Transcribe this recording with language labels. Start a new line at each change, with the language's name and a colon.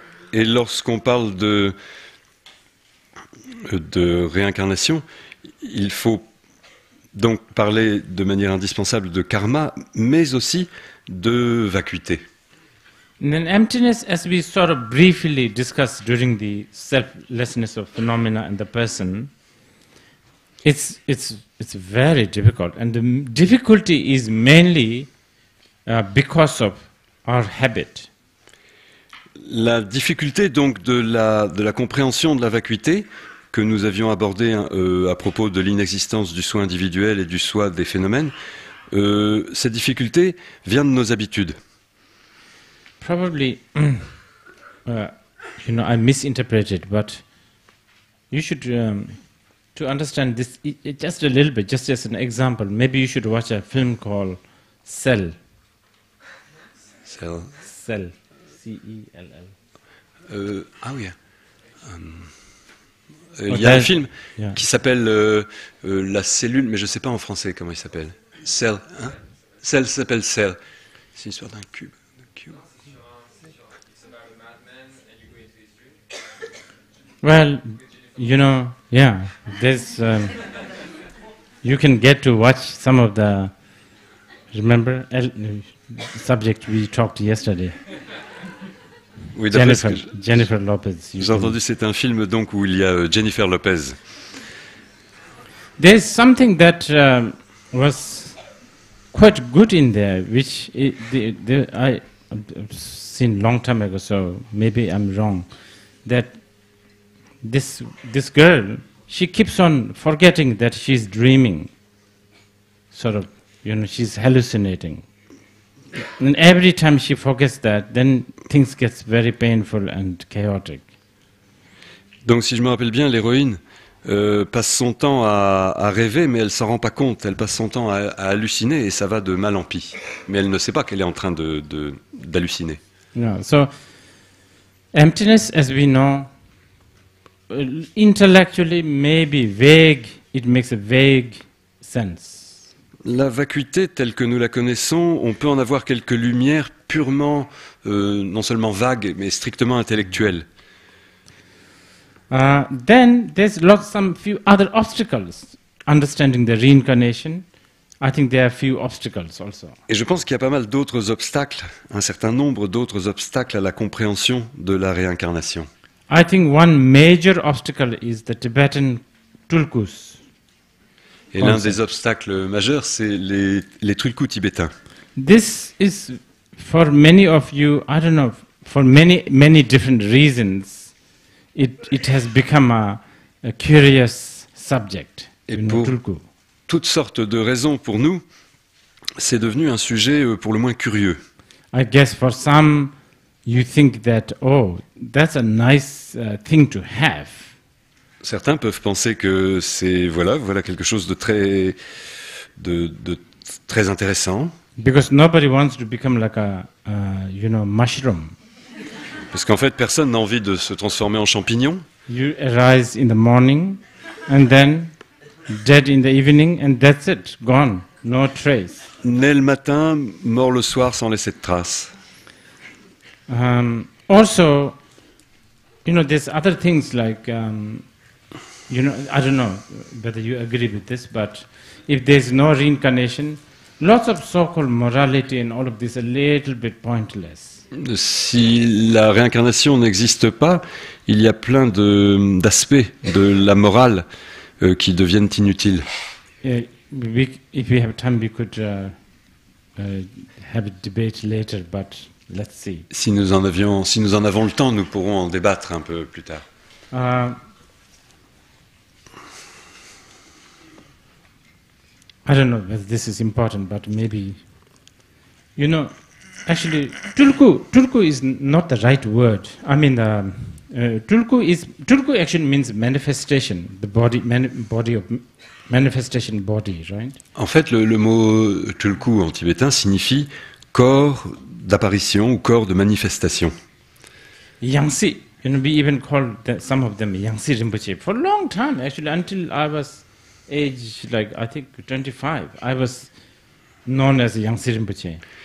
French: Et lorsqu'on parle de réincarnation, il faut donc parler de manière indispensable de karma, mais aussi de vacuité.
English: And then emptiness, as we sort of briefly discussed during the selflessness of phenomena and the person, it's very difficult. And the difficulty is mainly because of our habit.
French: La difficulté donc de la compréhension de la vacuité que nous avions abordée à propos de l'inexistence du soi individuel et du soi des phénomènes, cette difficulté vient de nos habitudes.
English: Probably, you know, I misinterpreted, but you should, to understand this just a little bit, just as an example, maybe you should watch a film called Cell. Cell? Cell. C-E-L-L.
French: Oui. Il y a un film qui s'appelle La Cellule, mais je ne sais pas en français comment il s'appelle. Cell. Hein? Cell s'appelle Cell. C'est une histoire d'un cube.
English: Well, you know, yeah, there's, you can get to watch some of the, remember, subject we talked yesterday.
French: Oui,
English: Jennifer Lopez.
French: J'ai entendu, c'est un film donc où il y a Jennifer Lopez.
English: There's something that was quite good in there, which I seen long time ago, so maybe I'm wrong, that This girl, she keeps on forgetting that she's dreaming. Sort of, you know, she's hallucinating. And every time she forgets that, then things get very painful and chaotic.
French: Donc, si je me rappelle bien, l'héroïne passe son temps à rêver, mais elle s'en rend pas compte. Elle passe son temps à halluciner et ça va de mal en pis. Mais elle ne sait pas qu'elle est en train d'halluciner.
English: Yeah, so, emptiness, as we know, intellectually, maybe vague, it makes a vague sense.
French: La vacuité telle que nous la connaissons, on peut en avoir quelques lumières purement, non seulement vagues, mais strictement intellectuelles.
English: Then there's lots some few other obstacles understanding the reincarnation. I think there are a few obstacles also.
French: Et je pense qu'il y a pas mal d'autres obstacles, un certain nombre d'autres obstacles à la compréhension de la réincarnation.
English: I think one major obstacle is the Tibetan tulkus.
French: Et l'un des obstacles majeurs, c'est les tulkus tibétains.
English: This is for many of you, I don't know, for many, many different reasons, it has become a curious subject.
French: Et pour toutes sortes de raisons pour nous, c'est devenu un sujet pour le moins curieux.
English: I guess for some, you think that, oh, that's a nice thing to have.
French: Certains peuvent penser que c'est, voilà quelque chose de très intéressant.
English: Because nobody wants to become like a you know, mushroom.
French: Parce qu'en fait, personne n'a envie de se transformer en champignon.
English: You arise in the morning, and then dead in the evening, and that's it, gone, no trace.
French: Né le matin, mort le soir, sans laisser de trace.
English: Also, you know, there's other things like, you know, I don't know whether you agree with this, but if there's no reincarnation, lots of so-called morality and all of this are a little bit pointless.
French: Si la réincarnation n'existe pas, il y a plein de, d'aspects de la morale qui deviennent inutiles.
English: If we have time, we could have a debate later, but let's see.
French: Si nous en avons le temps, nous pourrons en débattre un peu plus tard.
English: I don't know whether this is important, but maybe, you know, actually, tulku is not the right word. I mean, tulku actually means manifestation, the body, body, right?
French: En fait, le mot tulku en tibétain signifie corps d'apparition ou corps de manifestation.
English: Yangtze, you know, we even called some of them Yangtze Rinpoche for a long time, actually, until I was age, like, I think 25, I was known as Yangtze Rinpoche.